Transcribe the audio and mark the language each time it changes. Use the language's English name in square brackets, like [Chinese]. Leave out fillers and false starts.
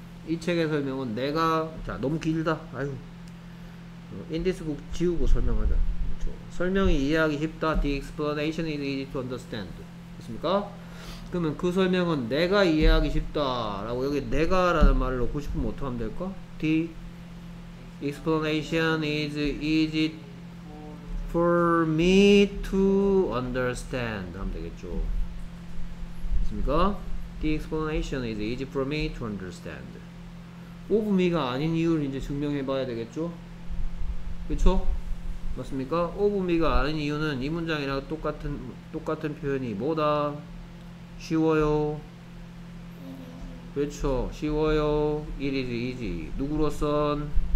[Korean] 이 책의 설명은 내가, 자, 너무 길다. 아유. 인디스북 지우고 설명하자. 그렇죠. 설명이 이해하기 쉽다. [English] The explanation is easy to understand. [Korean] 됐습니까? 그러면 그 설명은 내가 이해하기 쉽다 라고 여기 내가 라는 말을 넣고 싶으면 어떻게 하면 될까? [English] The explanation is easy for me to understand [Korean] 하면 되겠죠. 됐습니까? [English] The explanation is easy for me to understand. of me [Korean] 가 아닌 이유를 이제 증명해 봐야 되겠죠? 그쵸? 맞습니까? [English] of me [Korean] 가 아닌 이유는 이 문장이랑 똑같은 표현이 뭐다? 쉬워요. 그렇죠. 쉬워요. [English] It is easy. [Korean] 누구로선?